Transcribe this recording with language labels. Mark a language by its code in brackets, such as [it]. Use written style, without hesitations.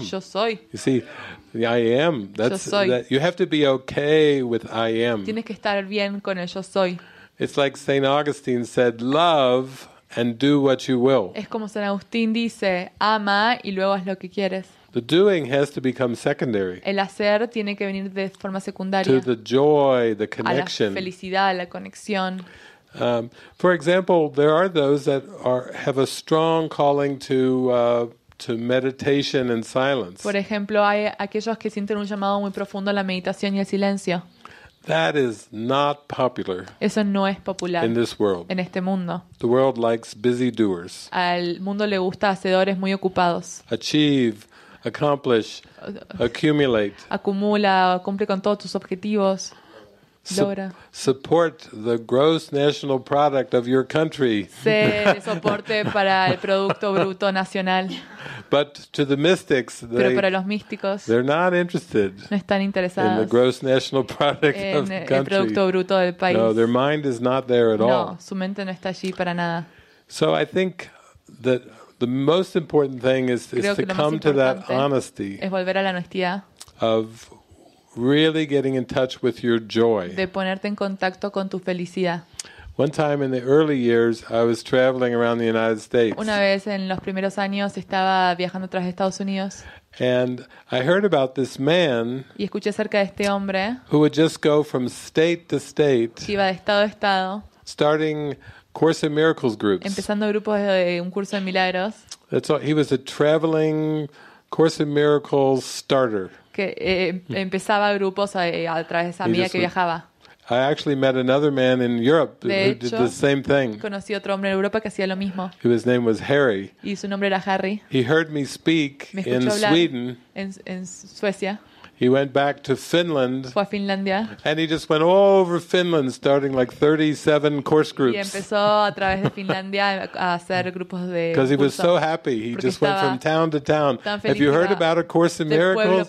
[es] Yo soy. [en] You see, I am. That's [es] yo soy. [en] That you have to be okay with I am. [es] Tienes que estar bien con el yo soy. [en] It's like St. Augustine said, love and do what you will. [es] Es como San Agustín dice, ama y luego haz lo que quieres. [en] The doing has to become secondary. [es] El hacer tiene que venir de forma secundaria. [en] To the joy, the connection. [es] A la felicidad, la conexión. [en] For example, there are those that have a strong calling to meditation and silence. [es] Por ejemplo, hay aquellos que sienten un llamado muy profundo a la meditación y al silencio. [en] That is not popular. [es] Eso no es popular. [en] In this world. [es] En este mundo. [en] The world likes busy doers. [es] Al mundo le gusta hacedores muy ocupados. [en] Achieve, accomplish, accumulate. [es] Acumula, cumple con todos tus objetivos. Logra. [en] Support the gross national product of your country. [es] Sé soporte para el producto bruto nacional. [en] But to the mystics, [es] pero para los místicos, [en] they're not interested. [es] No están interesados. [en] In the gross national product of the country. [es] En el producto bruto del país. [en] No, their mind is not there at all. [es] No, su mente no está allí para nada. [en] So I think that the most important thing is to come to that honesty. [es] Es volver a la honestidad. [en] Of really getting in touch with your joy. [es] De ponerte en contacto con tu felicidad. [en] One time in the early years, I was traveling around the United States. [es] Una vez en los primeros años estaba viajando tras Estados Unidos. [en] And I heard about this man. [es] Y escuché acerca de este hombre. [en] Who would just go from state to state. [es] Que iba de estado a estado. [en] Starting Course in Miracles groups. [es] Empezando grupos de un curso de milagros. [en] That's all. He was a traveling Course in Miracles starter. [es] Que empezaba grupos a través de esa amiga que viajaba. [en] I actually met another man in Europe [es] de [en] who [es] hecho, [en] did the same thing. [es] Conocí otro hombre en Europa que hacía lo mismo. [en] His name was Harry. [es] Y su nombre era Harry. [en] He heard me speak in Sweden. [es] En Suecia. [en] He went back to Finland. [es] Fue a Finlandia. [en] And he just went all over Finland starting like 37 course groups. [es] Y empezó a través de Finlandia a hacer grupos de [en] Because he was so happy. He just went from town to town. Have you heard about a course in miracles?